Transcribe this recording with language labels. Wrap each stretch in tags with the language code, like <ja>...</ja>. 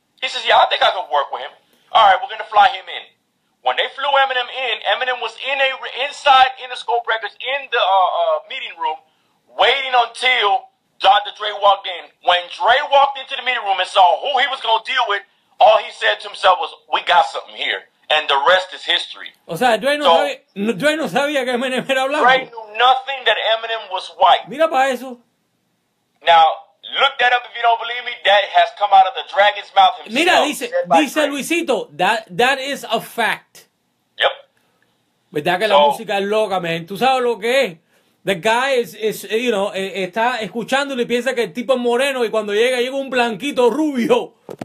<en>He says, "Yeah, I think I could work with him. All right, we're going to fly him in." When they flew Eminem in, Eminem was inside Interscope Records in the meeting room waiting until Dr. Dre walked in. When Dre walked into the meeting room and saw who he was going to deal with, all he said to himself was, "We got something here." And the rest is history.</en> <es>O sea, Dre no sabía que Eminem era blanco.</es> <en>Dre knew nothing that Eminem was white.</en> <es>Mira para eso.</es> <en>Now, look that up if you don't believe me. That has come out of the dragon's mouth himself.</en> <es>Mira, dice Luisito,</es> <en>that is a fact. Yep.</en> <es>Verdad que la música es loca, man. Tú sabes lo que es.</es> <en>The guy is you know,</en> <es>está escuchándolo y piensa que el tipo es moreno y cuando llega un blanquito rubio.</es>